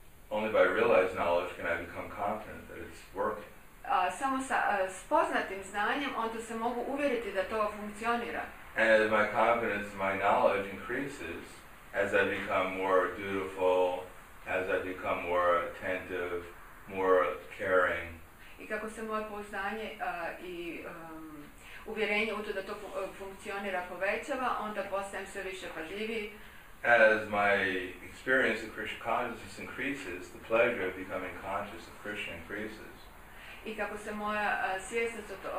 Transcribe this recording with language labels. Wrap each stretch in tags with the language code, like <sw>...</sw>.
<en>Only by realized knowledge can I become confident that it's working.</en> <hr>Samo sa spoznatim znanjem onda se mogu uvjeriti da to funkcionira.</hr> <en>And as my confidence, my knowledge increases, as I become more dutiful, as I become more attentive, more caring.</en> <hr>I kako se moje pouzdanje i uvjerenje u to da to funkcionira povećava, onda postajem sve više pažljiviji.</hr> <en>As my experience of Krishna consciousness increases, the pleasure of becoming conscious of Krishna increases.</en> <hr>I kako se moja svjesnost</hr>